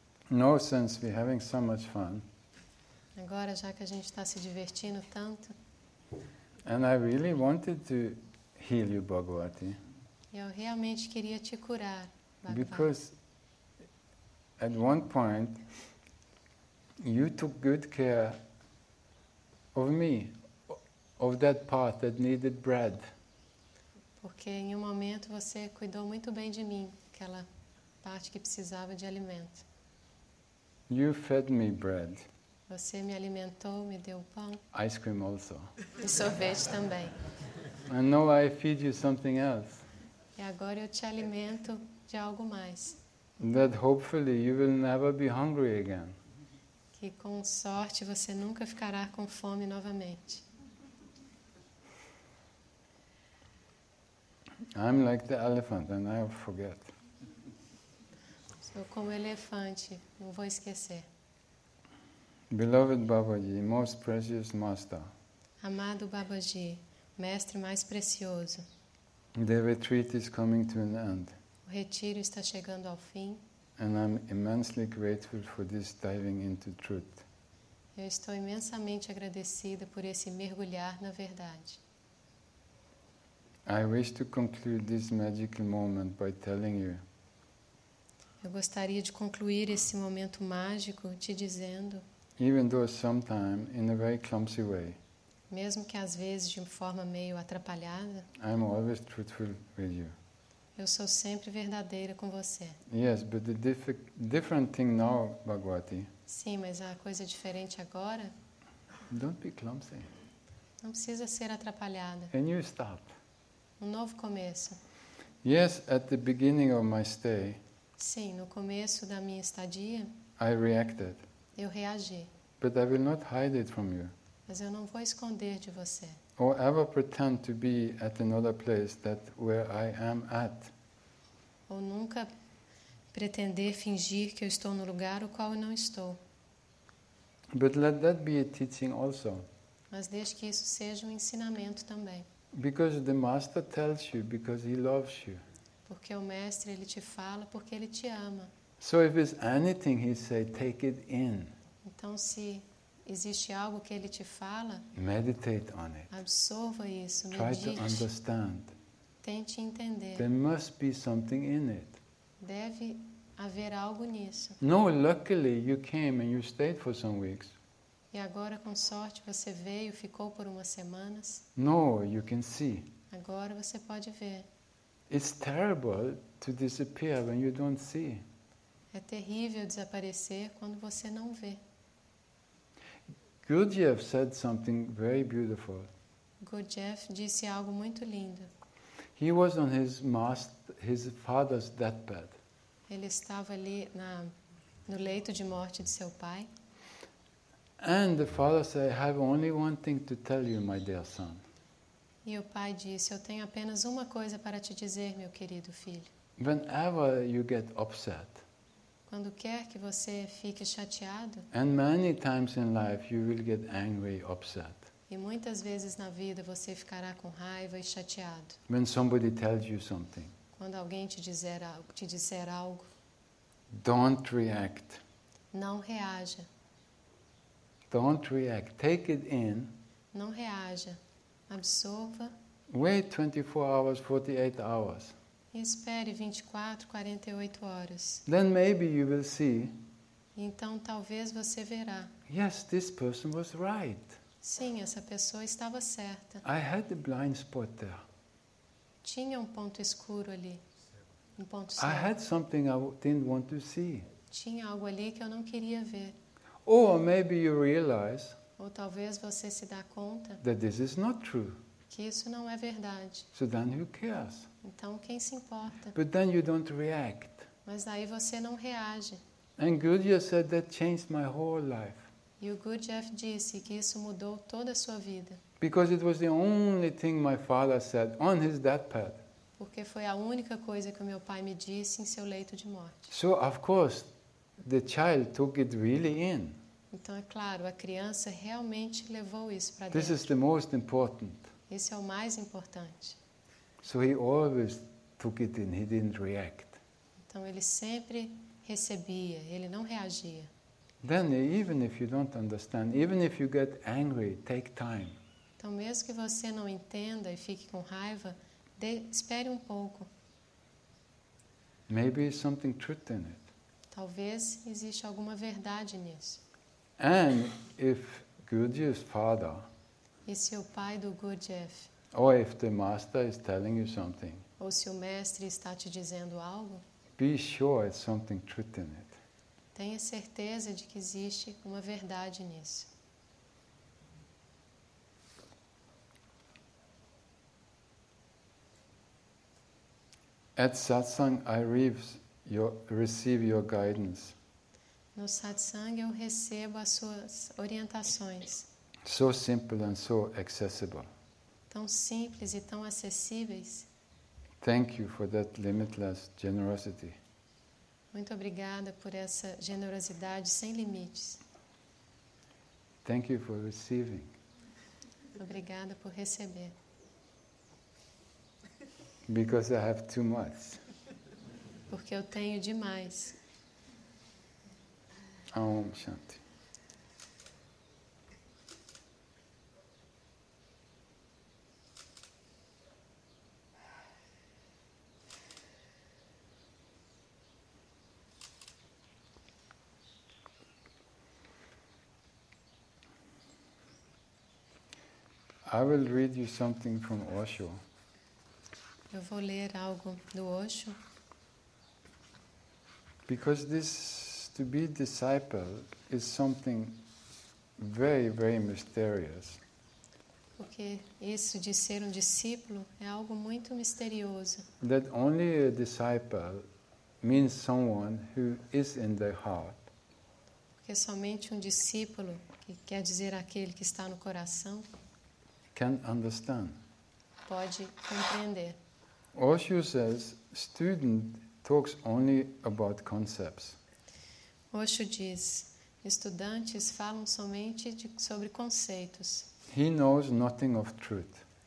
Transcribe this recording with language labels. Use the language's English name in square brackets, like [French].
[English] No sense we're having so much fun. [Portuguese] Agora, já que a gente está se divertindo tanto. [English] And I really wanted to heal you, Bhagavati. [Portuguese] Eu realmente queria te curar, Bhagavati. [English] Because at one point you took good care of me, of that part that needed bread. [Portuguese] Porque em um momento você cuidou muito bem de mim, aquela parte que precisava de alimento. [English] You fed me bread. [Portuguese] Você me alimentou, me deu pão. [English] Ice cream also. [Portuguese] E sorvete também. [English] And now I feed you something else. [Portuguese] E agora eu te alimento de algo mais. [English] That hopefully you will never be hungry again. [Portuguese] Que com sorte você nunca ficará com fome novamente. [English] I'm like the elephant and I forget. [Portuguese] Sou como elefante, não vou esquecer. [English] Beloved Babaji, most precious master. [Portuguese] Amado Babaji, mestre mais precioso. [English] The retreat is coming to an end. [Portuguese] O retiro está chegando ao fim. [English] And I'm immensely grateful for this diving into truth. [Portuguese] Eu estou imensamente agradecida por esse mergulhar na verdade. [English] I wish to conclude this magical moment by telling you. [Portuguese] Eu gostaria de concluir esse momento mágico te dizendo. [English] Even though sometimes in a very clumsy way. [Portuguese] Mesmo que às vezes de forma meio atrapalhada. [English] I'm always truthful with you. [Portuguese] Eu sou sempre verdadeira com você. [English] Yes, but the different thing now, Bhagavati. [Portuguese] Sim, mas a coisa diferente agora. [English] Don't be clumsy. [Portuguese] Não precisa ser atrapalhada. [English] A new start. [Portuguese] Um novo começo. [English] Yes, at the beginning of my stay. [Portuguese] Sim, no começo da minha estadia. [English] I reacted. [Portuguese] Eu reagi. [English] But I will not hide it from you. [Portuguese] Mas eu não vou esconder de você. [English] Or ever pretend to be at another place that where I am at. [Portuguese] Ou nunca pretender fingir que eu estou no lugar o qual eu não estou. [English] But let that be a teaching also. [Portuguese] Mas deixe que isso seja um ensinamento também. [English] Because the master tells you because he loves you. [Portuguese] Porque o mestre ele te fala porque ele te ama. [English] So if there's anything he says, take it in. [Portuguese] Então, se existe algo que ele te fala, [English] meditate on it. [Portuguese] Absorva isso, medite. [English] Try to understand. [Portuguese] Tente entender. [English] There must be something in it. [Portuguese] Deve haver algo nisso. [English] No, luckily you came and you stayed for some weeks. [Portuguese] E agora, com sorte, você veio, ficou por umas semanas. [English] No, you can see. [Portuguese] Agora você pode ver. [English] It's terrible to disappear when you don't see. [Portuguese] É terrível desaparecer quando você não vê. [English] Gurdjieff said something very beautiful. [Portuguese] Gurdjieff disse algo muito lindo. [English] He was on his father's deathbed. [Portuguese] Ele estava ali no leito de morte de seu pai. [English] And the father said, "I have only one thing to tell you, my dear son." [Portuguese] E o pai disse, "Eu tenho apenas uma coisa para te dizer, meu querido filho." [English] Whenever you get upset. [Portuguese] Quando quer que você fique chateado. [English] And many times in life you will get angry, upset. [Portuguese] E muitas vezes na vida você ficará com raiva e chateado. [English] When somebody tells you something. [Portuguese] Quando alguém te disser algo. [English] Don't react. [Portuguese] Não reaja. [English] Don't react. Take it in. [Portuguese] Não reaja. Absorva. [English] Wait 24 hours, 48 hours. [Portuguese] E espere 24, 48 horas. [English] Then maybe you will see. [Portuguese] Então talvez você verá. [English] Yes, this person was right. [Portuguese] Sim, essa pessoa estava certa. [English] I had a blind spot there. [Portuguese] Tinha um ponto escuro ali. Um ponto cego. [English] I had something I didn't want to see. [Portuguese] Tinha algo ali que eu não queria ver. [English] Or maybe you realize. [Portuguese] Ou talvez você se dá conta. [English] That this is not true. [Portuguese] Que isso não é verdade. [English] So then who cares? [Portuguese] Então quem se importa? [English] But then you don't react. [Portuguese] Mas aí você não reage. [English] And Gurdjieff said that changed my whole life. [Portuguese] E o Gurdjieff disse que isso mudou toda a sua vida. [English] Because it was the only thing my father said on his deathbed. [Portuguese] Porque foi a única coisa que o meu pai me disse em seu leito de morte. [English] So of course the child took it really in. [Portuguese] Então, é claro, a criança realmente levou isso para dentro. [English] This is the most important. [Portuguese] Esse é o mais importante. [English] So he always took it in. He didn't react. [Portuguese] Então, ele sempre recebia. Ele não reagia. [English] Then, even if you don't understand, even if you get angry, take time. [Portuguese] Então, mesmo que você não entenda e fique com raiva, espere um pouco. [English] Maybe something truth in it. [Portuguese] Talvez exista alguma verdade nisso. [English] And if Gurdjieff's father, [Portuguese] e se o pai do Gurdjieff, [English] or if the master is telling you something, [Portuguese] ou se o mestre está te dizendo algo, [English] be sure it's something truth in it. [Portuguese] Tenha certeza de que existe uma verdade nisso. [English] At satsang, I receive your guidance. [Portuguese] No satsang eu recebo as suas orientações. [English] So simple and so accessible. [Portuguese] Tão simples e tão acessíveis. [English] Thank you for that limitless generosity. [Portuguese] Muito obrigada por essa generosidade sem limites. [English] Thank you for receiving. [Portuguese] Obrigada por receber. [English] Because I have too much. [Portuguese] Porque eu tenho demais. [Sanskrit] Aum Shanti. [English] I will read you something from Osho. [Portuguese] Eu vou ler algo do Osho. [English] Because this to be disciple is something very, very mysterious. [Portuguese] Porque isso de ser discípulo é algo muito misterioso. [English] That only a disciple means someone who is in their heart. [Portuguese] Porque somente discípulo, que quer dizer aquele que está no coração, [English] can understand. [Portuguese] Pode compreender. [English] Osho says, student talks only about concepts. [Portuguese] Osho diz, estudantes falam somente sobre conceitos. [English] He knows nothing of truth.